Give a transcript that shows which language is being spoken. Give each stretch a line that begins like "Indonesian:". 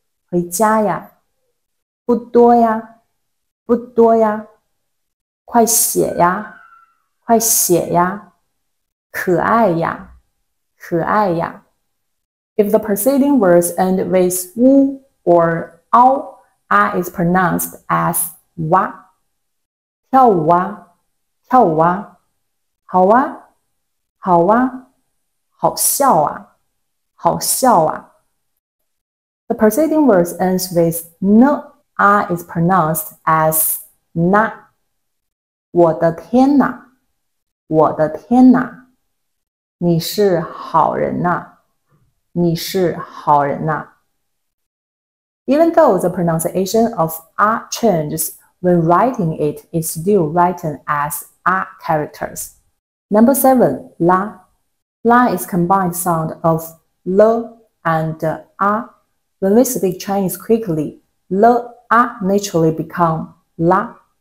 Chinese: 回家呀，不多呀，不多呀，快写呀，快写呀，可爱呀，可爱呀。
English: If the preceding words end with 呜 or 嗷 ，a is pronounced as 哇。
Chinese: 跳舞啊，跳舞啊，好啊，好啊，好笑啊，好笑啊。
English: The preceding words ends with n, a is pronounced as na.
Chinese: 我的天哪，我的天哪，你是好人哪，你是好人哪。
English: Even though the pronunciation of a changes when writing it, it's still written as a characters. Number seven, la. La is combined sound of l and a. When we speak Chinese quickly, the a naturally become la.